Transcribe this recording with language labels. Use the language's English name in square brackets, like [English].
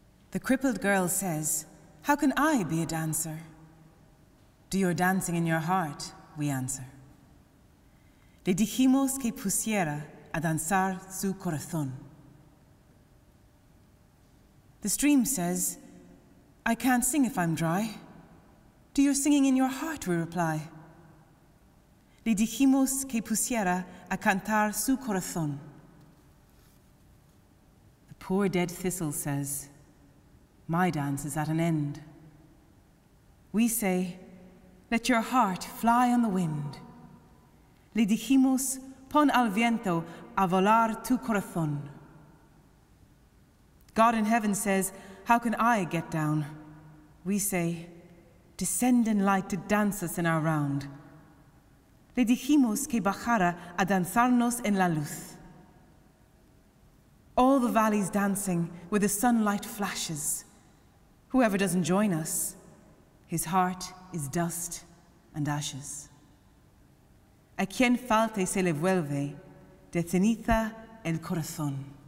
[English] The crippled girl says, "How can I be a dancer?" "Do your dancing in your heart," we answer. [Spanish] Le dijimos que pusiera a danzar su corazón. [English] The stream says, "I can't sing if I'm dry." "Do your singing in your heart," we reply. [Spanish] Le dijimos que pusiera a cantar su corazón. [English] The poor dead thistle says, "My dance is at an end." We say, "Let your heart fly on the wind." [Spanish] Le dijimos, "Pon al viento a volar tu corazón." [English] God in heaven says, "How can I get down?" We say, "Descend in light to dance us in our round." [Spanish] Le dijimos que bajara a danzarnos en la luz. [English] All the valleys dancing where the sunlight flashes. Whoever doesn't join us, his heart is dust and ashes. [Spanish] A quien falte se le vuelve de ceniza el corazón.